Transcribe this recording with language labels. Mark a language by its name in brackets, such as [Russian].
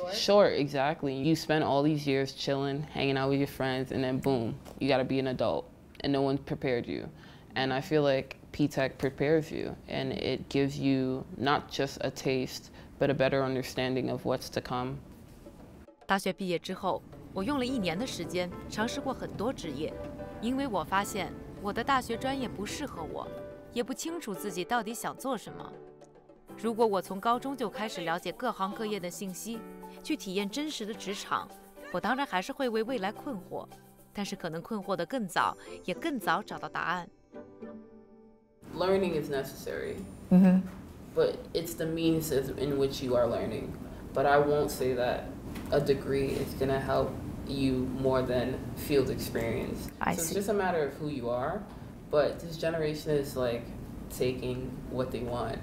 [English] short, exactly. You spend all these years chilling, hanging out with your friends, and then boom, you got to be an adult, and no one prepared you. And I feel like PTech prepares you, and it gives you not just a taste, but a better understanding of what's to come. [Chinese] 大学毕业之后，我用了一年的时间尝试过很多职业。因为我发现我的大学专业不适合我，也不清楚自己到底想做什么。如果我从高中就开始了解各行各业的信息，去体验真实的职场，我当然还是会为未来困惑，但是可能困惑得更早，也更早找到答案。 [English] Learning is necessary、But it's the means in which you are learning. But I won't say that a degree is going to help you more than field experience. I see. So it's just a matter of who you are. But this generation is like taking what they want.